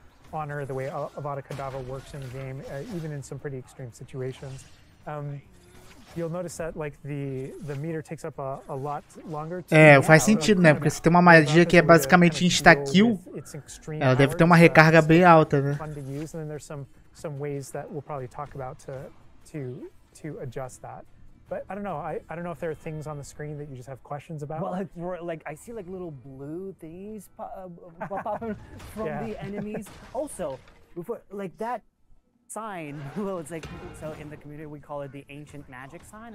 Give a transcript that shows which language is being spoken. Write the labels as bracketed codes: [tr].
[en] Honor the way Avada Kedavra works in the game, even in some pretty extreme situations. You'll notice that like the meter takes up a lot longer to... [pt] É, faz sentido, né? Porque se tem uma magia que é basicamente insta kill, ela deve ter uma recarga bem alta, né? [en] And then there's some ways that we'll probably talk about to adjust that. But I don't know. I don't know if there are things on the screen that you just have questions about. Well, like I see like little blue things pop from the enemies. Also, before like that sign, well, it's like, so in the community we call it the ancient magic sign.